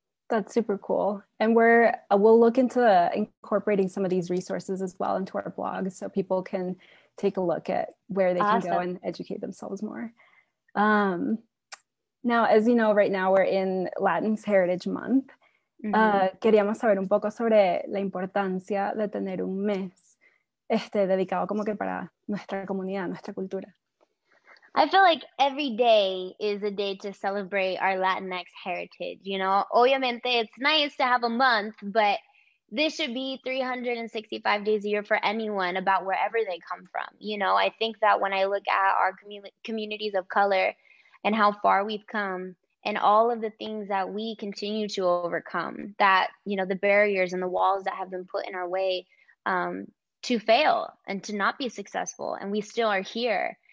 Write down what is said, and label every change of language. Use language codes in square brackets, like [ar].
[en] That's super cool. And we'll look into incorporating some of these resources as well into our blog so people can take a look at where they can go and educate themselves more. Now, as you know, right now we're in Latin's Heritage Month. Mm-hmm. [es] Queríamos saber un poco sobre la importancia de tener un mes dedicado como que para nuestra comunidad, nuestra cultura. [en] I feel like every day is a day to celebrate our Latinx heritage, you know? [es] Obviamente, [en] it's nice to have a month, but this should be 365 days a year for anyone about wherever they come from, you know? I think that when I look at our communities of color and how far we've come and all of the things that we continue to overcome, that, you know, the barriers and the walls that have been put in our way to fail and to not be successful, and we still are here.